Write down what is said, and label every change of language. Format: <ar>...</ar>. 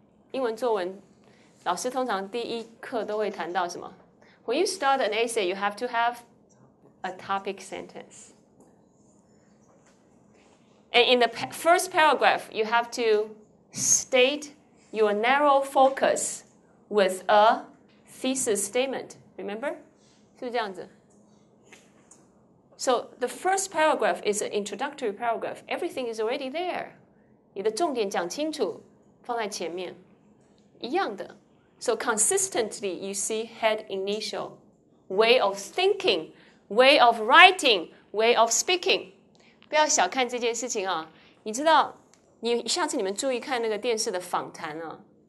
<zh>英文作文，老师通常第一课都会谈到什么？</zh> <en>When you start an essay, you have to have a topic sentence. And in the first paragraph, you have to state your narrow focus with a thesis statement. Remember?</en> <zh>是这样子。</zh> <en>So the first paragraph is an introductory paragraph. Everything is already there.</en> <zh>你的重点讲清楚，放在前面。一样的。</zh> <en>So consistently, you see head initial. Way of thinking, way of writing, way of speaking.</en> <zh>不要小看这件事情啊。你知道，你下次你们注意看那个电视的访谈啊。</zh>